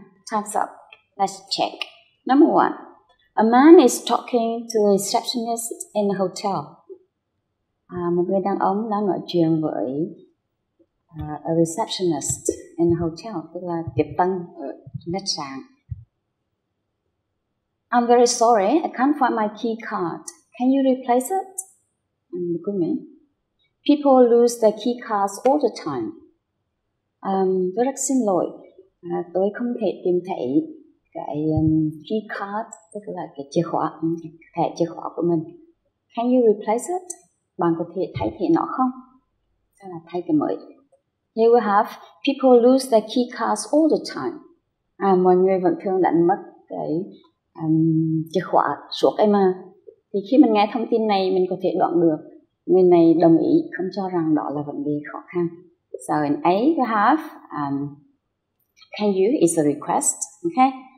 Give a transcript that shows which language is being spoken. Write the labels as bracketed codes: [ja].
[en] Thumbs up. Let's check. Number one, a man is talking to the receptionist in the hotel. [vi] Một người đàn ông đang nói chuyện với [en] a receptionist in the hotel, [vi] tức là tiếp tân ở khách sạn. [en] I'm very sorry, I can't find my key card. Can you replace it? Good man. People lose their key cards all the time. [vi] Tôi rất xin lỗi. Tôi không thể tìm thấy cái key card, tức là cái chìa khóa, thẻ chìa khóa của mình. [en] Can you replace it? [vi] Bạn có thể thay thế nó không? Tức là thay cái mới. [en] Here we have people lose their key cards all the time. [vi] Mọi người vẫn thường đánh mất cái chìa khóa suốt ấy mà. Thì khi mình nghe thông tin này, mình có thể đoán được người này đồng ý, không cho rằng đó là vấn đề khó khăn. [en] So in A, we have can you is a request, okay?